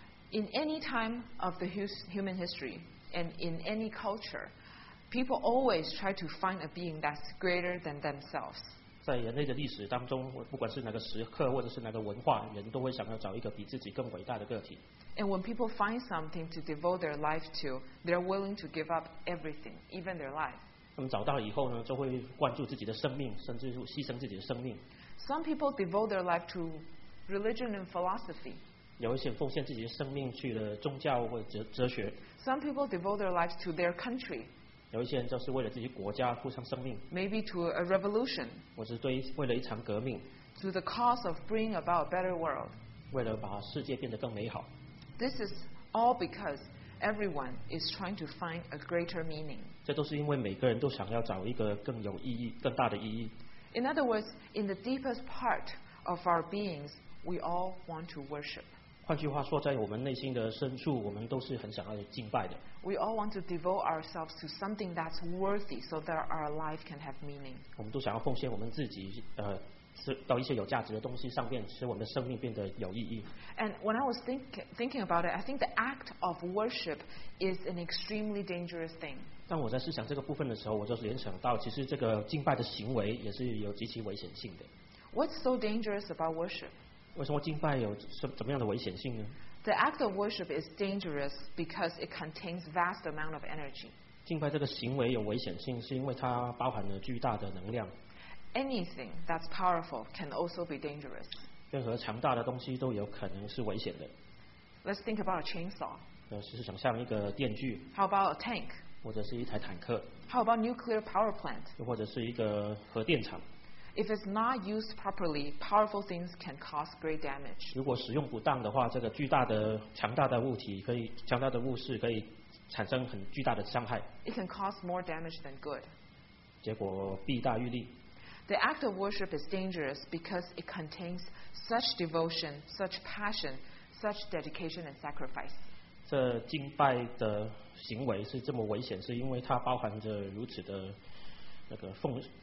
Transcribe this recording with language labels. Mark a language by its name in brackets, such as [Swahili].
[English] In any time of the human history and in any culture, people always try to find a being that's greater than themselves. [Chinese] 在人类的历史当中，不管是哪个时刻或者是哪个文化，人都会想要找一个比自己更伟大的个体。 [English] And when people find something to devote their life to, they're willing to give up everything, even their life. [Chinese] 他们找到以后呢，就会灌注自己的生命，甚至牺牲自己的生命。 [English] Some people devote their life to religion and philosophy. [Chinese] 有一些奉献自己的生命去了宗教或者哲学。 [English] Some people devote their lives to their country. [Chinese] 有一些人就是为了自己国家付上生命 [English] ，maybe to a revolution， [Chinese] 或是对为了一场革命 [English] ，to the cause of bringing about a better world， [Chinese] 为了把世界变得更美好。 [English] This is all because everyone is trying to find a greater meaning。 [Chinese] 这都是因为每个人都想要找一个更有意义、更大的意义。 [English] In other words, in the deepest part of our beings, we all want to worship。 [Chinese] 换句话说，在我们内心的深处，我们都是很想要敬拜的。 [English] We all want to devote ourselves to something that's worthy, so that our life can have meaning. [Chinese] 我们都想要奉献我们自己，到一些有价值的东西上面，使我们的生命变得有意义。 [English] And when I was thinking about it, I think the act of worship is an extremely dangerous thing. [Chinese] 当我在思想这个部分的时候，我就联想到，其实这个敬拜的行为也是有极其危险性的。 [English] What's so dangerous about worship? [Chinese] 为什么敬拜有怎么样的危险性呢 [English] ？The act of worship is dangerous because it contains vast amount of energy. [Chinese] 敬拜这个行为有危险性，是因为它包含了巨大的能量。 [English] Anything that's powerful can also be dangerous. [Chinese] 任何强大的东西都有可能是危险的。 [English] Let's think about a chainsaw. [Chinese] 试试想象一个电锯。 [English] How about a tank? [Chinese] 或者是一台坦克。 [English] How about nuclear power plant? [Chinese] 或者是一个核电厂。 [English] If it's not used properly, powerful things can cause great damage. [Chinese] 如果使用不当的话，这个巨大的、强大的物体可以、强大的物事可以产生很巨大的伤害。 [English] It can cause more damage than good. [Chinese] 结果弊大于利。 [English] The act of worship is dangerous because it contains such devotion, such passion, such dedication and sacrifice. [Chinese] 这敬拜的行为是这么危险，是因为它包含着如此的那个奉。